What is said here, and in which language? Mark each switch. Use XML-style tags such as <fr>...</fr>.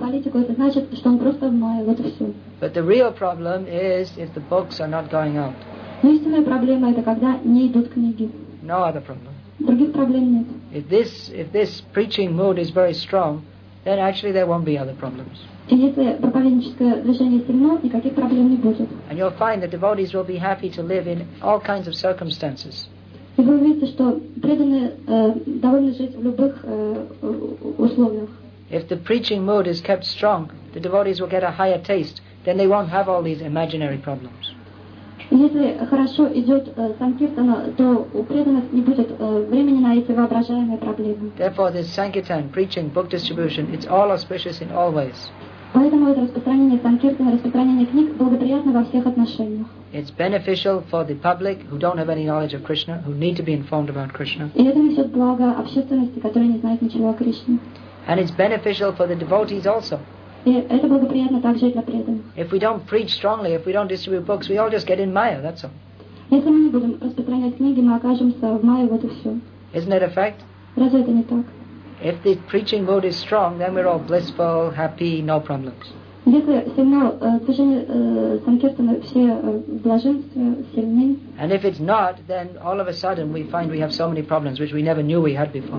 <en>But the real problem is if the books are not going out. No other problem. If this preaching mood is very strong, then actually there won't be other problems.</en> <ru>И если проповедническое движение сильно, никаких проблем не будет.</ru> <en>And you'll find that devotees will be happy to live in all kinds of circumstances.</en> <ru>И вы увидите, что преданные довольны жить в любых условиях.</ru> <en>If the preaching mood is kept strong, the devotees will get a higher taste, then they won't have all these imaginary problems.</en> <ru>Если хорошо идет санкиртана, то у преданных не будет времени на эти воображаемые проблемы.</ru> <en>Therefore, this sankirtan, preaching, book distribution, it's all auspicious in all ways.</en> <ru>Поэтому это распространение санкиртаны, распространение книг благоприятно во всех отношениях.</ru> <en>It's beneficial for the public who don't have any knowledge of Krishna, who need to be informed about Krishna.</en> <ru>И это несет благо общественности, которая не знает ничего о Кришне.</ru> <en>And it's beneficial for the devotees also.</en> <ru>И это благоприятно также и для преданных.</ru> <en>If we don't preach strongly, if we don't distribute books, we all just get in Maya, that's all.</en> <ru>Если мы не будем распространять книги, мы окажемся в Майе, вот и все.</ru> <en>Isn't that a fact?</en> <ru>Разве это не так?</ru> <en>If the preaching mood is strong, then we're all blissful, happy, no problems. And if it's not, then all of a sudden we find we have so many problems which we never knew we had before.</en>